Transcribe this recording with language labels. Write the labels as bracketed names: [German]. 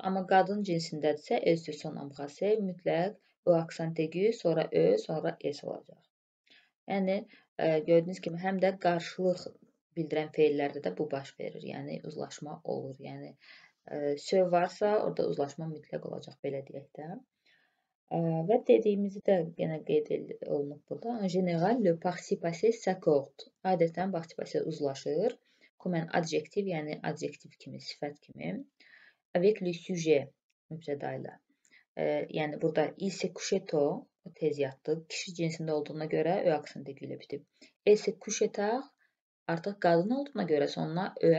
[Azerbaijani] Amma qadın cinsindədirsə, [French] il se son embrasser. [Azerbaijani] Mütləq, bu aksent dil, sonra ö, sonra s olacaq. Yəni gördüyünüz kimi həm də qarşılıq bildirən fellərdə də bu baş verir. Yəni uzlaşma olur. Yəni söv varsa orada uzlaşma mütləq olacaq belə deyək də. Və dediyimizi də yenə qeyd olunub burada. [French] En general, le participe s'accorde. [Azerbaijani] Adətən participe uzlaşır. [French] Comme un adjectif, [Azerbaijani] yəni adjektiv kimi, sifət kimi. [French] Avec le sujet, [Azerbaijani] mübtədayla. Yəni burada [French] il se couche tôt, [Azerbaijani] tez yatdı. Kişi cinsində olduğuna görə ö aksenti ilə bitib. [French] Else couche tard, [Azerbaijani] artıq qadın olduğuna görə sonuna ö